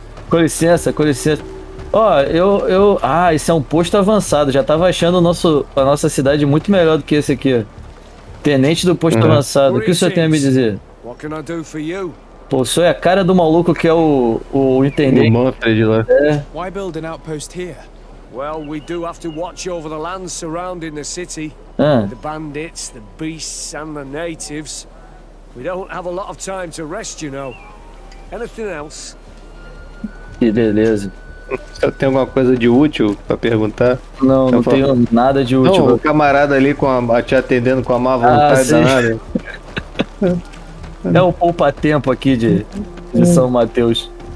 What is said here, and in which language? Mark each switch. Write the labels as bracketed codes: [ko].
[pt] Com licença. Ó, eu... Ah, esse é um posto avançado. Já tava achando a nossa cidade muito melhor do que esse aqui. Tenente do posto avançado. O que o senhor tem a me dizer? O que eu posso fazer para você? Pô, o senhor é a cara do maluco que é o intendente. O Manfred lá. [en] Why build an outpost here? Well, we do have to watch over the land surrounding the city. The bandits, the beasts and the natives. We don't have a lot of time to rest, you know. Anything else? [pt] Que beleza. Eu tenho alguma coisa de útil pra perguntar? Não, não tenho nada de útil. Não, o camarada ali te atendendo com a má vontade danada. É um poupa-tempo aqui de São Mateus.